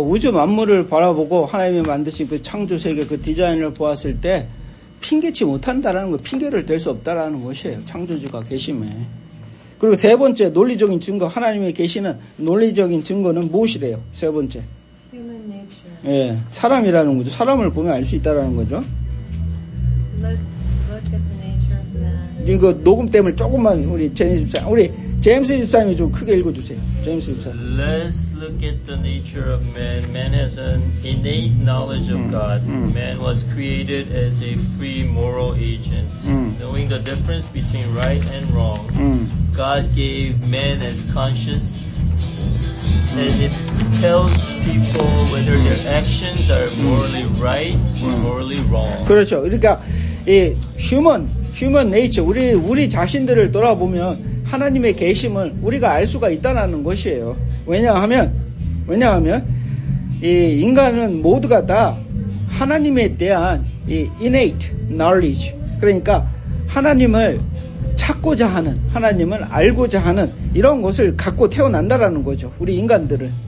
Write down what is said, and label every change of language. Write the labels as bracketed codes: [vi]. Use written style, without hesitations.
[ko] 우주 만물을 바라보고 하나님이 만드신 그 창조 세계 그 디자인을 보았을 때 핑계치 못한다라는 거, 핑계를 댈 수 없다라는 것이에요. 창조주가 계심에. 그리고 세 번째 논리적인 증거, 하나님이 계시는 논리적인 증거는 무엇이래요? 세 번째. [en] Human nature. [ko] 예, 사람이라는 거죠. 사람을 보면 알 수 있다라는 거죠. [en] Let's look at the nature of man. [ko] 이거 녹음 때문에 조금만 우리 제니 집사, 우리. 제임스 집사님이 좀 크게 읽어주세요. 제임스 집사. [en] Let's look at the nature of man. Man has an innate knowledge of God. Man was created as a free moral agent. Knowing the difference between right and wrong, God gave man as conscious and it tells people whether their actions are morally right or morally wrong. [ko] 그렇죠. 그러니까 이 human 휴먼 네이처, 우리 자신들을 돌아보면 하나님의 계심을 우리가 알 수가 있다는 것이에요. 왜냐하면 이 인간은 모두가 다 하나님에 대한 이 innate knowledge, 그러니까 하나님을 찾고자 하는, 하나님을 알고자 하는 이런 것을 갖고 태어난다라는 거죠, 우리 인간들은.